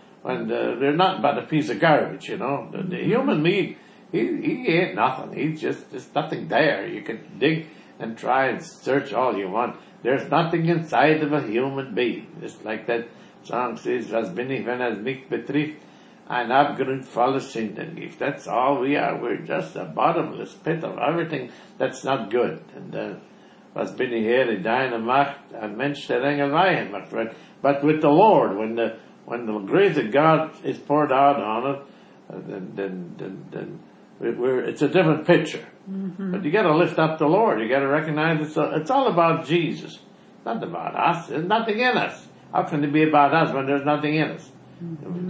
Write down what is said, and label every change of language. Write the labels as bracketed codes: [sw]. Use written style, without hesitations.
[en] And they're nothing but a piece of garbage, you know. The human meat, he ain't nothing. He's just, there's nothing there. You can dig and try and search all you want. There's nothing inside of a human being. [de] Just like that song says, was bin ich, wenn es mich betrifft, ein Abgrund voller Sünden. [en] If that's all we are, we're just a bottomless pit of everything that's not good. [de] And was bin ich hier in deiner Macht, ein Mensch der Engel weihen, [en] my friend. But with the Lord, when the grace of God is poured out on us, then it's a different picture. Mm-hmm. But you got to lift up the Lord. You got to recognize it's all about Jesus, not about us. There's nothing in us. How can it be about us when there's nothing in us? Mm-hmm.